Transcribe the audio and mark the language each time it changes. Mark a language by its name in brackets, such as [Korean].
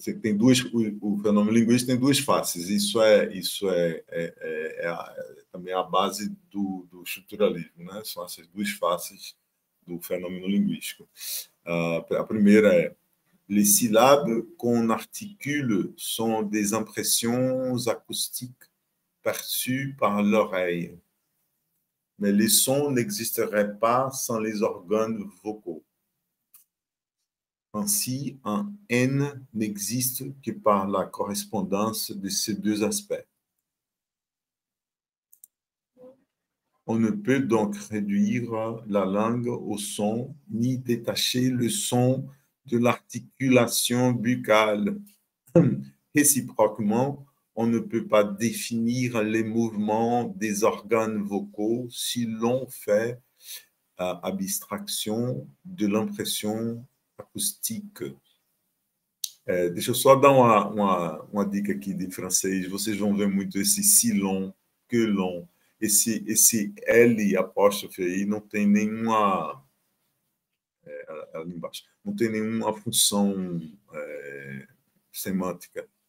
[Portuguese] Tem duas, o fenômeno linguístico tem duas faces. Isso é também a base do estruturalismo, né? São essas duas faces do fenômeno linguístico. A primeira é: [French] les syllabes qu'on articule sont des impressions acoustiques perçues par l'oreille. Mais les sons n'existeraient pas sans les organes vocaux. Ainsi, un N n'existe que par la correspondance de ces deux aspects. On ne peut donc réduire la langue au son, ni détacher le son de l'articulation buccale. Réciproquement, on ne peut pas définir les mouvements des organes vocaux si l'on fait abstraction de l'impression acoustique. [Portuguese] Deixa eu só dar uma dica aqui de francês. Vocês vão ver muito esse si long, que long. Esse L apóstrofe aí não tem nenhuma... ali embaixo. Não tem nenhuma função semântica.